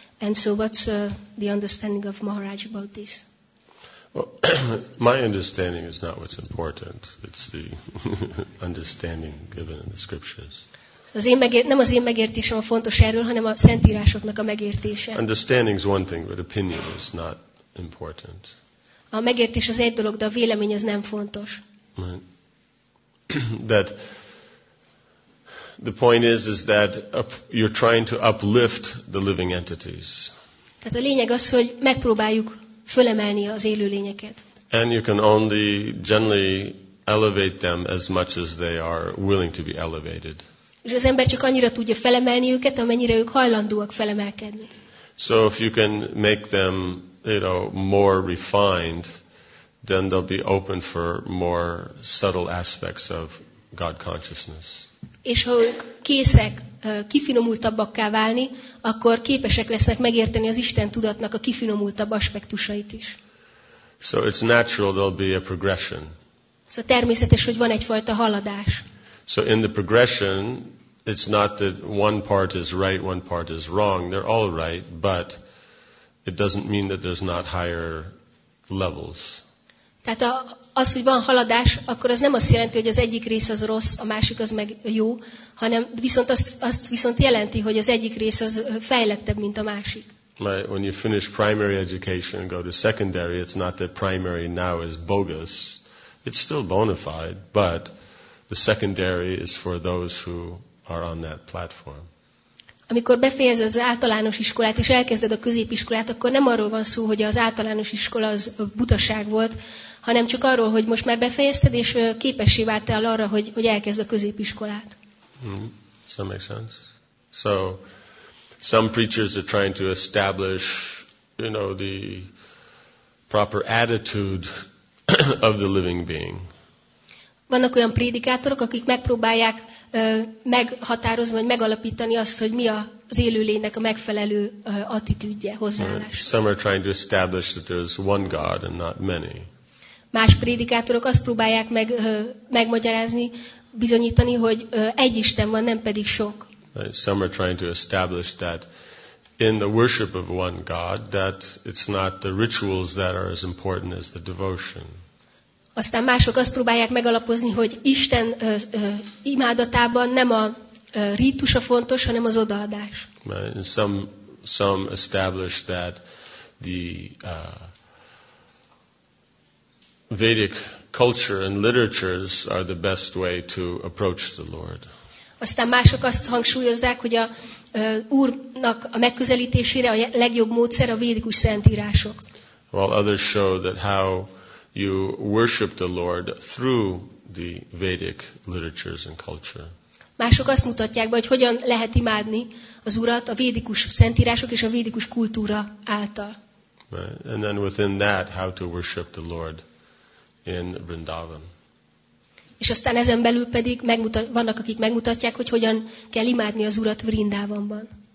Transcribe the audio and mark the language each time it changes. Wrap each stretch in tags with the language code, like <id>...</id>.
<en>And so what's the understanding of Maharaj about this? Well, my understanding is not what's important. It's the understanding given in the scriptures.</en> <hu>Nem az én megértésem a fontos erről, hanem a szentírásoknak a megértése.</hu> <en>Understanding is one thing, but opinion is not important.</en> <hu>A megértés az egy dolog, de a vélemény az nem fontos.</hu> <en>That the point is that you're trying to uplift the living entities.</en> <hu>Tehát a lényeg az, hogy megpróbáljuk fölemelni az élő lényeket.</hu> <en>And you can only generally elevate them as much as they are willing to be elevated.</en> <hu>És az ember csak annyira tudja felemelni őket, amennyire ők hajlandóak felemelkedni.</hu> <en>So if you can make them, you know, more refined, then they'll be open for more subtle aspects of God consciousness.</en> <hu>És ha ők készek kifinomultabbakká válni, akkor képesek lesznek megérteni az Isten tudatnak a kifinomultabb aspektusait is.</hu> <en>So it's natural there'll be a progression.</en> <hu>Szóval természetes, hogy van egyfajta haladás.</hu> <en>So in the progression, it's not that one part is right, one part is wrong. They're all right, but it doesn't mean that there's not higher levels.</en> <hu>Tehát az, hogy van haladás, akkor az nem azt jelenti, hogy az egyik rész az rossz, a másik az meg jó, hanem viszont azt viszont jelenti, hogy az egyik rész az fejlettebb, mint a másik.</hu> <en>Right, when you finish primary education and go to secondary, it's not that primary now is bogus. It's still bona fide, but the secondary is for those who are on that platform.</en> <hu>Amikor befejezed az általános iskolát és elkezded a középiskolát, akkor nem arról van szó, hogy az általános iskola az butaság volt, hanem csak arról, hogy most már befejezted és képessé váltál arra, hogy elkezd a középiskolát.</hu> <en>Does that make sense? So some preachers are trying to establish, you know, the proper attitude of the living being.</en> <hu>Vannak olyan prédikátorok, akik megpróbálják meghatározni, vagy megalapítani azt, hogy mi az élőlénynek a megfelelő attitűdje, hozzáállása.</hu> <en>Some are trying to establish that there is one God and not many.</en> <hu>Más prédikátorok azt próbálják megmagyarázni, bizonyítani, hogy egy Isten van, nem pedig sok.</hu> <en>Some are trying to establish that in the worship of one God, that it's not the rituals that are as important as the devotion.</en> <hu>Aztán mások azt próbálják megalapozni, hogy Isten imádatában nem a rítus a fontos, hanem az odaadás.</hu> <en>Some establish that the Vedic culture and literatures are the best way to approach the Lord.</en> <hu>Aztán mások azt hangsúlyozzák, hogy a Úrnak a megközelítésére a legjobb módszer a védikus szentírások.</hu> <en>While others show that how you worship the Lord through the Vedic literatures and culture.</en> <hu>Mások azt mutatják be, hogy hogyan lehet imádni az Urat a védikus szentírások és a védikus kultúra által.</hu> <en>Right. And then within that, how to worship the Lord in Vrindavan.</en> <hu>És aztán ezen belül pedig vannak, akik megmutatják, hogy hogyan kell imádni az Urat Vrindavanban.</hu>